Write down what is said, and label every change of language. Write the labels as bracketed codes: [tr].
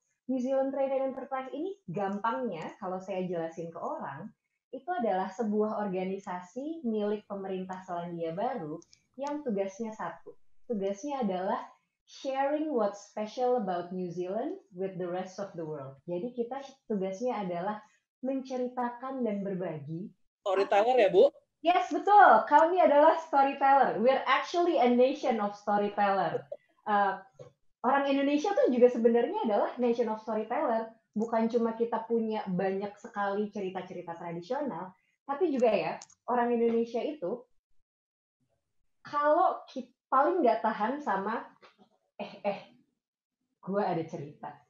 [id] New Zealand Trade and Enterprise ini gampangnya, kalau saya jelasin ke orang, itu adalah sebuah organisasi milik pemerintah Selandia Baru yang tugasnya satu. Tugasnya adalah [en] sharing what's special about New Zealand with the rest of the world. [id] Jadi kita tugasnya adalah menceritakan dan berbagi. Storyteller ya, Bu? [en] Yes, betul. [id] Kami adalah storyteller. [en] We're actually a nation of storyteller. [id] Orang Indonesia tuh juga sebenarnya adalah [en] nation of storyteller. [id] Bukan cuma kita punya banyak sekali cerita-cerita tradisional, tapi juga ya, orang Indonesia itu, kalau kita paling nggak tahan sama, gue ada cerita.